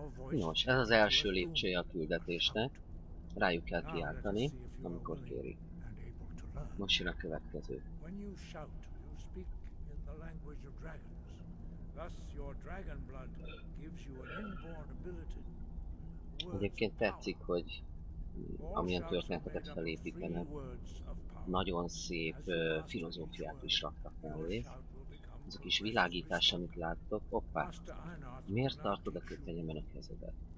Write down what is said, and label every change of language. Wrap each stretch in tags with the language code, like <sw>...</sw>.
<hu>Nos, ez az első lépcső a küldetésnek. Rájuk kell kiáltani, amikor kéri. Most jön a következő.</hu> <en>When you shout, you speak in the language of dragons. Thus your dragon blood gives you an inborn ability.</en> <hu>Egyébként tetszik, hogy amilyen történeteket felépítenek. Nagyon szép filozófiát is raktak mellé. Ez a kis világítás, amit láttok. Hoppá! Miért tartod a kötelemben a kezedet?</hu>